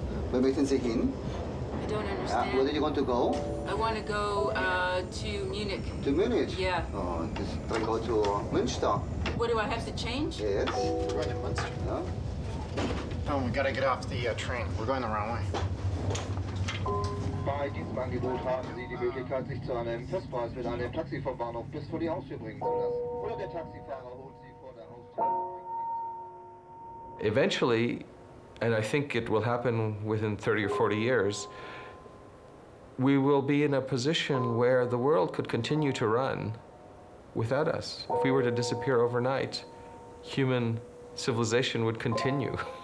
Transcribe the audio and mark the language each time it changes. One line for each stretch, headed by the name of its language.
German: Wo möchten Sie hin?
English: I don't understand. Where did you want to go? I want to go to Munich. To Munich? Yeah. Oh, just I go to Münster. What, do I have to change? Yes. We're going to Münster. Yeah. Oh, we got to get off the train. We're going the wrong way.
German: Bei diesem Angebot haben Sie die Möglichkeit, sich zu einem Festpreis mit einem Taxi vom Bahnhof bis vor die Haustür bringen zu lassen. Oder der Taxifahrer holt Sie vor der Haustür.
English: Eventually, and I think it will happen within 30 or 40 years, we will be in a position where the world could continue to run without us. If we were to disappear overnight, human civilization would continue.